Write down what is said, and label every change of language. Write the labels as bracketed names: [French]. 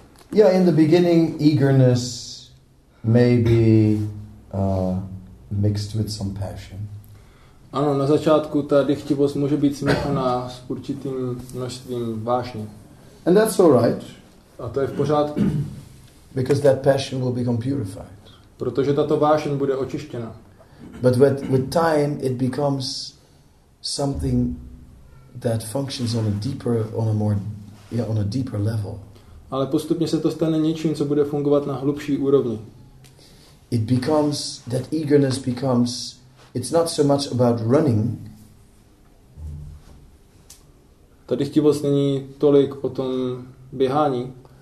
[English] Yeah, in the beginning eagerness may be mixed with some passion. [Czech] Ano, na začátku ta dychtivost může být smíchaná s určitým množstvím vášně. [English] And that's all right. [Czech] A to je v pořádku. [English] Because that passion will become purified. [Czech] Protože tato vášeň bude očištěna. [English] But with time it becomes something that functions on a deeper, on a more, yeah, on a deeper level. [Czech] Ale postupně se to stane něčím, co bude fungovat na hlubší úrovni. [English] It becomes that eagerness becomes. It's not so much about running. [Czech] Tady chtivost není tolik o tom běhání.